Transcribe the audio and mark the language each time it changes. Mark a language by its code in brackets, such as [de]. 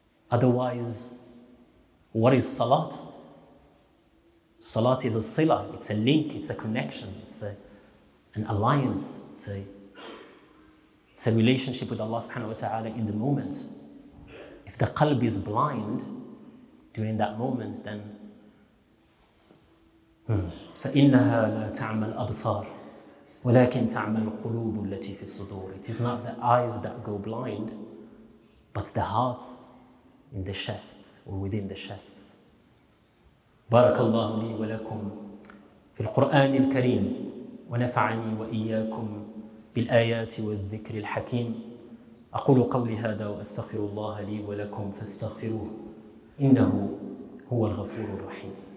[en] Otherwise, what is salat? Salat is a sila, it's a link, it's a connection, it's an alliance, it's a relationship with Allah subhanahu wa ta'ala in the moment. If the qalb is blind during that moment, then [ar] فَإِنَّهَا لَا تَعْمَ الْأَبْصَارِ وَلَكِنْ تَعْمَ الْقُلُوبُ الَّتِي فِي الصُّدُورِ. [en] It is not the eyes that go blind, but the hearts in the chests or within the chests. [ar] بارك الله لي ولكم في القرآن الكريم ونفعني وإياكم بالآيات والذكر الحكيم أقول قولي هذا وأستغفر الله لي ولكم فاستغفروه إنه هو الغفور الرحيم.